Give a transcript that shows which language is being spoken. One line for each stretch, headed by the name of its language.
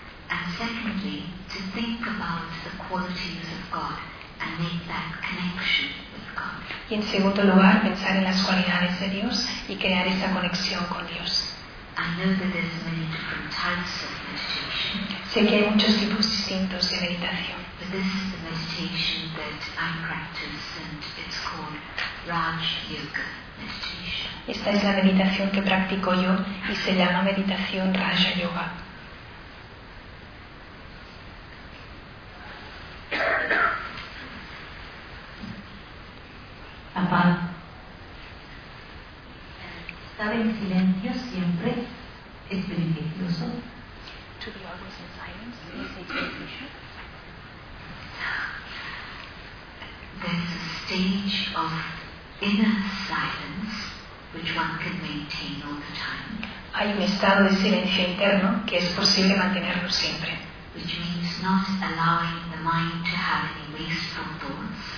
English: And secondly, to think about the qualities of God. And make that connection with God.
Spanish: Y en segundo lugar, pensar en las cualidades de Dios y crear esa conexión con Dios.
English: I know that there's many different types of meditation.
Spanish: Sé que hay muchos tipos distintos de meditación.
English: But this is the meditation that I practice, and it's called Raj Yoga meditation.
Spanish: Esta es la meditación que practico yo y se llama meditación Raja Yoga. Estar en silencio siempre es beneficioso.
English: To be always in silence is beneficial. There's a stage of inner silence which one can maintain all the time.
Spanish: Hay un estado de silencio interno que es posible mantenerlo siempre.
English: Which means not allowing the mind to have any wasteful thoughts.